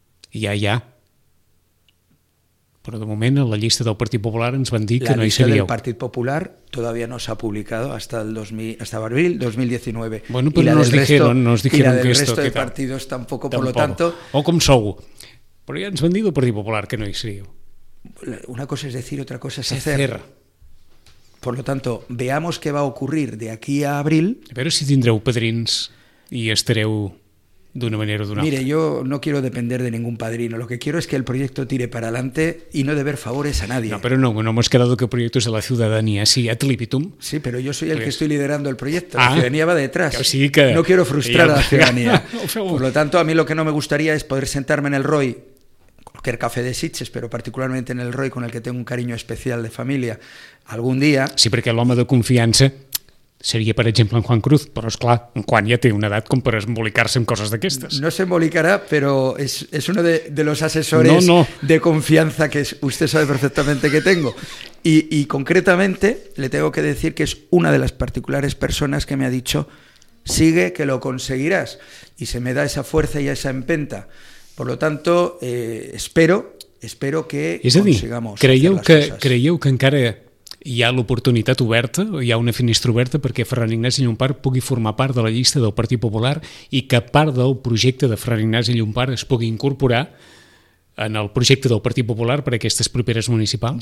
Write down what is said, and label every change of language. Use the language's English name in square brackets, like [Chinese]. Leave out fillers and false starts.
[Spanish] Ya. Pero de momento en la [Catalan] llista del Partit Popular ens van dir que no hi seríeu. [Spanish] La lista del Partit Popular todavía no se ha publicado hasta abril 2019. Bueno, pero nos dijeron que esto... Y la del resto de partidos tampoco, por lo tanto... [Catalan] O com sou. Però ja ens van dir del Partit Popular que no hi seríeu. [Spanish] Una cosa es decir, otra cosa es hacer. Por lo tanto, veamos qué va a ocurrir de aquí a abril. A ver si [Catalan] tindreu padrins [Spanish] y estareu de una manera o de una otra. Mire, yo no quiero depender de ningún padrino. Lo que quiero es que el proyecto tire para adelante y no deber favores a nadie. No, pero no hemos quedado que el proyecto es de la ciudadanía, sí, ad libitum. Sí, pero yo soy el que estoy liderando el proyecto. La ciudadanía va detrás. Que sí, que... No quiero frustrar a la ciudadanía. Por lo tanto, a mí lo que no me gustaría es poder sentarme en el ROI, cualquier café de Sitges, pero particularmente en el ROI, con el que tengo un cariño especial de familia, algún día... [Catalan] Sí, perquè l'home de confiança seria, per exemple, en Juan Cruz, però, esclar, en Juan ja té una edat com per embolicar-se en coses d'aquestes. No s'embolicarà, però és [Spanish] uno de los asesores de confiança que usted sabe perfectamente que tengo. Y concretamente le tengo que decir que es una de las particulares personas que me ha dicho sigue que lo conseguirás, y se me da esa fuerza y esa empenta. Por lo tanto, espero que consigamos... [Catalan] Creieu que encara... Hi ha l'oportunitat oberta, hi ha una finestra oberta perquè Ferran Ignasi Llompart pugui formar part de la llista del Partit Popular i que part del projecte de Ferran Ignasi Llompart es pugui incorporar en el projecte del Partit Popular per a aquestes properes municipals?